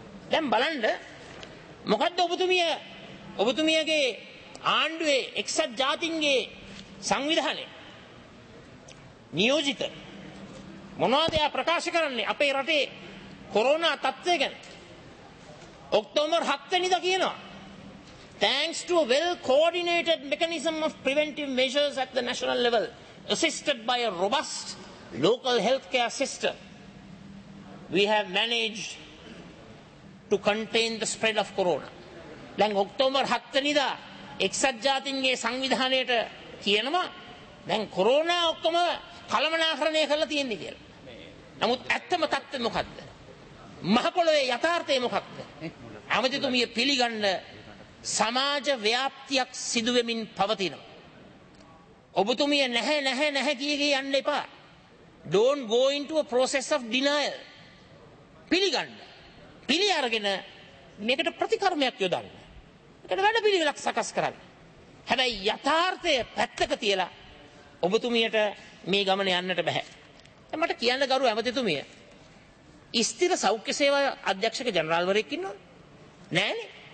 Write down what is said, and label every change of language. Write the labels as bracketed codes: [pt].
[si] දැන් බලන්න මොකද්ද ඔබතුමියගේ ආණ්ඩුවේ එක්සත් ජාතීන්ගේ සංවිධානයේ නියෝජිත මොනවද එයා ප්‍රකාශ කරන්නේ අපේ රටේ කොරෝනා තත්ත්වය ගැන? ඔක්තෝබර් 7 වෙනිදා කියනවා, [en] thanks to a well coordinated mechanism of preventive measures at the national level assisted by a robust local healthcare system we have managed to contain the spread of corona. [si] දැන් October 7 වෙනිදා එක්සත් ජාතීන්ගේ සංවිධානයට කියනවා දැන් corona ඔක්කොම කලමනාකරණය කරලා තියෙන්නේ කියලා. නමුත් ඇත්තම තත්ත්වය මොකක්ද? මහ පොළොවේ යථාර්ථය මොකක්ද? ඇමතිතුමිය පිළිගන්න සමාජ ව්‍යාප්තියක් සිදුවෙමින් පවතිනවා. ඔබතුමිය නැහැ නැහැ නැහැ කියේ යන්න එපා. [en] Don't go into a process of denial. [si] පිළිගන්න. පිළි අරගෙන මේකට ප්‍රතික්‍රමයක් යොදන්න. මේකට වැඩ පිළිවෙලක් සකස් කරන්න. හැබැයි යථාර්ථය පැත්තක තියලා ඔබතුමියට මේ ගමන යන්නට බෑ. මට කියන්න ගරු ඇමතිතුමිය, ස්ථිර සෞඛ්‍ය සේවා අධ්‍යක්ෂක ජනරාල්වරයෙක් ඉන්නවද? නෑනේ.